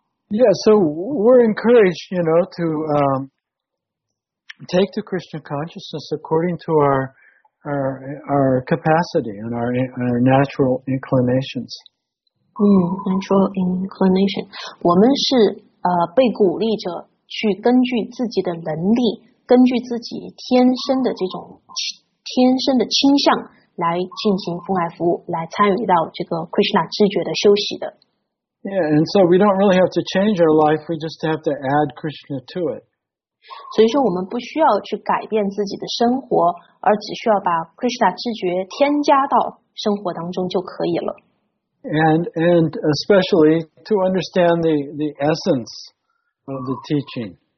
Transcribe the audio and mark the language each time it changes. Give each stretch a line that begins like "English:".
English: Yeah, so we're encouraged, you know, to take to Krishna consciousness according to our capacity and our natural inclinations. Natural inclination.
Chinese: 我们是被鼓励着去根据自己的能力, 根据自己天生的倾向, 来进行奉爱服务, 来参与到这个 Krishna 知觉的休息的。
English: Yeah, and so we don't really have to change our life, we just have to add Krishna to it.
Chinese: 所以说我们不需要去改变自己的生活, 而只需要把 Krishna 知觉添加到生活当中就可以了。And
English: especially to understand the essence of the teaching.